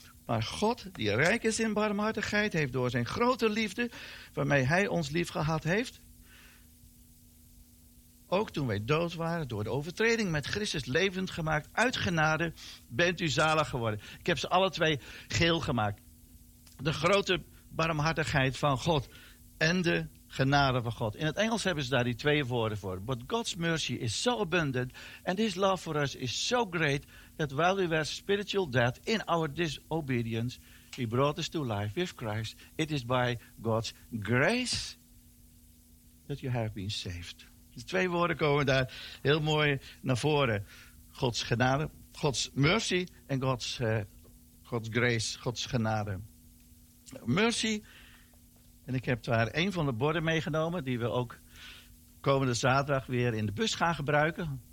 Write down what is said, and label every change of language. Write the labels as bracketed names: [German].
[Dutch] Maar God, die rijk is in barmhartigheid, heeft door zijn grote liefde, waarmee hij ons lief gehad heeft, ook toen wij dood waren, door de overtreding met Christus levend gemaakt, uit genade bent u zalig geworden. Ik heb ze alle twee geel gemaakt. De grote barmhartigheid van God en de genade van God. In het Engels hebben ze daar die twee woorden voor. [English] But God's mercy is so abundant and his love for us is so great that while we were spiritual dead in our disobedience, he brought us to life with Christ. It is by God's grace that you have been saved. [Dutch] De twee woorden komen daar heel mooi naar voren. God's genade, God's mercy en God's grace, God's genade. Mercy, en ik heb daar een van de borden meegenomen die we ook komende zaterdag weer in de bus gaan gebruiken.